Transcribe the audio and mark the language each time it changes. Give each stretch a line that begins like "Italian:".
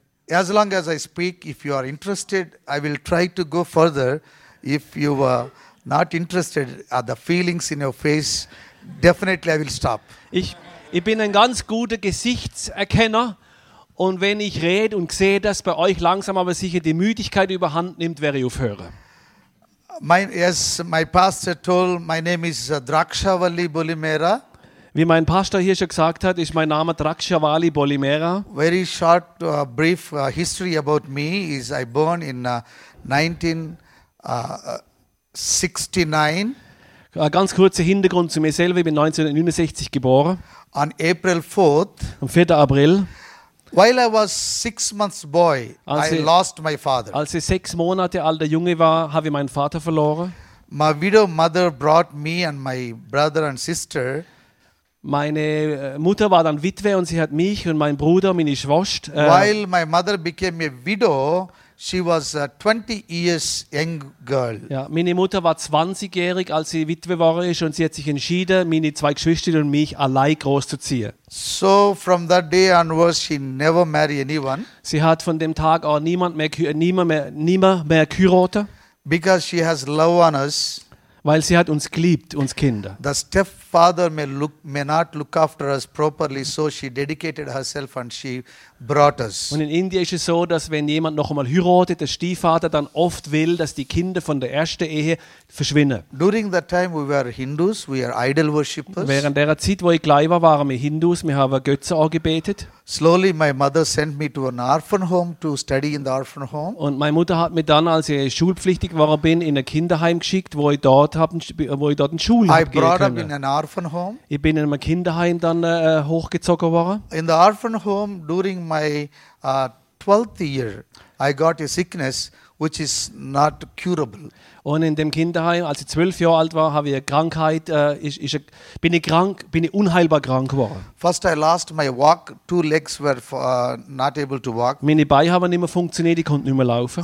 English: As long as I speak, if you are interested, I will try to go further. If you are not interested, are the feelings in your face, definitely I will stop.
German: Ich bin ein ganz guter Gesichtserkenner und wenn ich rede und sehe, dass bei euch langsam aber sicher die Müdigkeit überhand nimmt, werde ich aufhören.
English: My pastor told my name is Drakshawali Bolimera.
German: Wie mein Pastor hier schon gesagt hat, ist mein Name Drakshawali Bolimera.
English: Very short brief history about me is I born in 1969.
German: Ein ganz kurzer Hintergrund zu mir selber, ich bin 1969 geboren.
English: On April 4th.
German: Am 4. April.
English: While I was 6 months boy, I lost my father.
German: Als ich 6 Monate alter Junge war, habe ich meinen Vater verloren.
English: My widow mother brought me and my brother and sister.
German: Meine Mutter war dann Witwe und sie hat mich und meinen Bruder, meine Schwester.
English: While my mother became a widow, she was a 20 years young girl.
German: Ja, meine Mutter war 20-jährig, als sie Witwe war, und sie hat sich entschieden, meine zwei Geschwister und mich allein großzuziehen.
English: So from that day onwards, she never married anyone.
German: Sie hat von dem Tag an niemand mehr geheiratet.
English: Because she has love on us.
German: Weil sie hat uns geliebt, uns Kinder.
English: The stepfather may not look after us properly, so she dedicated herself and she brought us.
German: Und in Indien ist es so, dass wenn jemand noch einmal heiratet, der Stiefvater dann oft will, dass die Kinder von der ersten Ehe verschwinden.
English: During that time we were Hindus, we are idol worshippers.
German: Während der Zeit, wo ich klein war, waren wir Hindus, wir haben Götze angebetet.
English: Slowly my mother sent me to an orphan home to study in the orphan home.
German: Und meine Mutter hat mich dann, als ich schulpflichtig war, bin in ein Kinderheim geschickt, wo ich dort eine Schule gehen konnte.
English: I brought up in an orphan home.
German: Ich bin in einem Kinderheim dann hochgezogen worden.
English: In the orphan home during my 12th year I got a sickness which is not curable.
German: Und in dem Kinderheim, als ich 12 Jahre alt war, habe ich eine Krankheit, bin ich unheilbar krank geworden.
English: First I lost my walk, two legs were not able to walk.
German: Meine Beine haben nicht mehr funktioniert, ich konnte nicht mehr laufen.